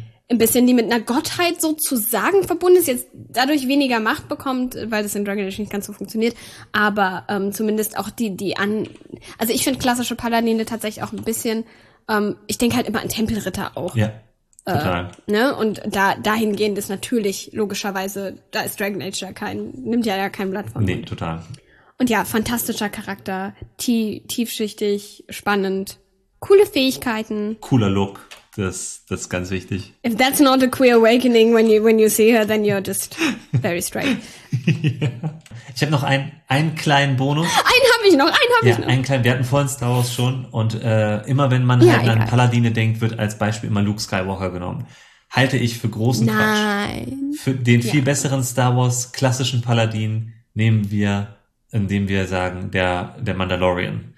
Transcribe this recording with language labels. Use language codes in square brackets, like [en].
[de] ein bisschen die mit einer Gottheit sozusagen verbunden ist, jetzt dadurch weniger Macht bekommt, weil das in Dragon Age nicht ganz so funktioniert, aber zumindest auch die an, also ich finde klassische Paladine tatsächlich auch ein bisschen, ich denke halt immer an Tempelritter auch. Ja, total. Ne? Und da dahingehend ist natürlich logischerweise, da ist Dragon Age ja kein, nimmt ja kein Blatt vom Mund. Nee, total. Und ja, fantastischer Charakter, tiefschichtig, spannend, coole Fähigkeiten. Cooler Look. Das ist ganz wichtig. [en] If that's not a queer awakening when you see her, then you're just very straight. Yeah. [de] Ich habe noch einen kleinen Bonus. Einen habe ich noch. Einen kleinen. Wir hatten vorhin Star Wars schon und immer wenn man halt an Paladine denkt, wird als Beispiel immer Luke Skywalker genommen. Halte ich für großen Quatsch. Für den viel besseren Star Wars klassischen Paladin nehmen wir, indem wir sagen der Mandalorian.